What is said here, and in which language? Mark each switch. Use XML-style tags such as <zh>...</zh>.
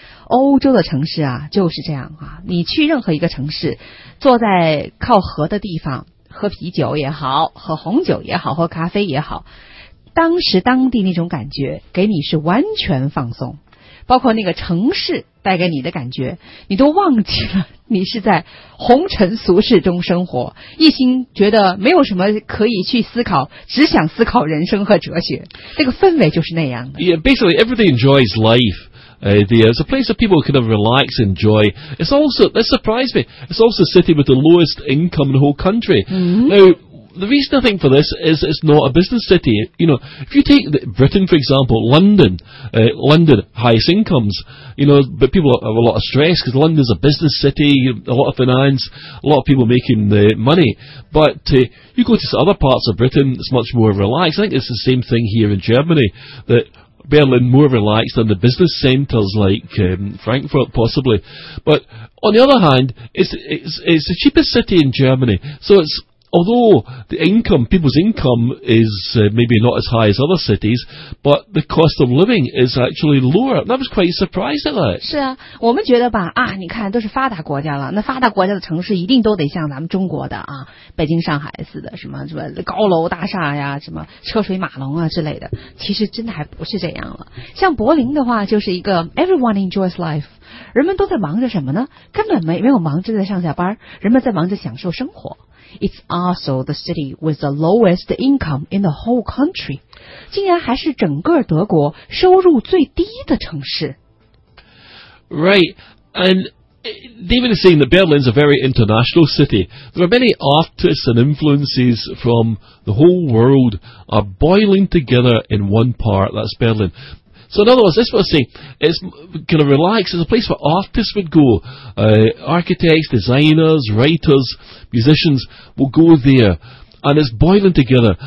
<zh>欧洲的城市啊，就是这样啊。你去任何一个城市，坐在靠河的地方，喝啤酒也好，喝红酒也好，喝咖啡也好，当时当地那种感觉，给你是完全放松。包括那个城市带给你的感觉，你都忘记了你是在红尘俗世中生活，一心觉得没有什么可以去思考，只想思考人生和哲学，那个氛围就是那样的。</zh> <en>Yeah, basically everybody enjoys life. It's a place that people kind of relax and enjoy. It's also, this surprised me, it's also a city with the lowest income in the whole country. The reason I think for this is it's not a business city. You know, if you take Britain, for example, London, highest incomes, you know, but people have a lot of stress because London's a business city, a lot of finance, a lot of people making the money. But you go to some other parts of Britain, it's much more relaxed. I think it's the same thing here in Germany, that Berlin more relaxed than the business centres like Frankfurt, possibly. But on the other hand, it's the cheapest city in Germany. So it's although the income, people's income is maybe not as high as other cities, but the cost of living is actually lower. That was quite surprising.</en> <zh>是啊，我们觉得吧，啊，你看都是发达国家了，那发达国家的城市一定都得像咱们中国的啊，北京、上海似的，什么什么高楼大厦呀，什么车水马龙啊之类的。其实真的还不是这样了。像柏林的话，就是一个</zh> <en>everyone enjoys life。</en> <zh>人们都在忙着什么呢？根本没有忙着在上下班，人们在忙着享受生活。</zh> <en>It's also the city with the lowest income in the whole country.</en> <zh>竟然还是整个德国收入最低的城市。</zh> <en>Right, and David is saying that Berlin's a very international city. There are many artists and influences from the whole world are boiling together in one part, that's Berlin. So in other words, this is what I'm saying, it's kind of relaxed, it's a place where artists would go, architects, designers, writers, musicians will go there, and it's boiling together.</en>